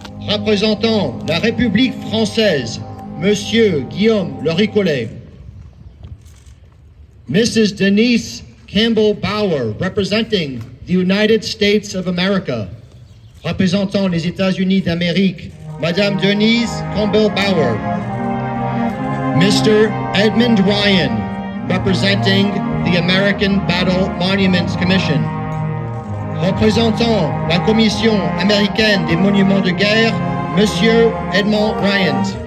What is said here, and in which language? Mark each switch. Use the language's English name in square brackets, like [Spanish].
[French] Représentant la République française, Monsieur Guillaume Le Ricollet. [English] Mrs. Denise Campbell Bauer, representing the United States of America. [French] Représentant les États-Unis d'Amérique, Madame Denise Campbell Bauer. [English] Mr. Edmund Ryan, representing the American Battle Monuments Commission. [French] Représentant la Commission américaine des monuments de guerre, Monsieur Edmund Ryan.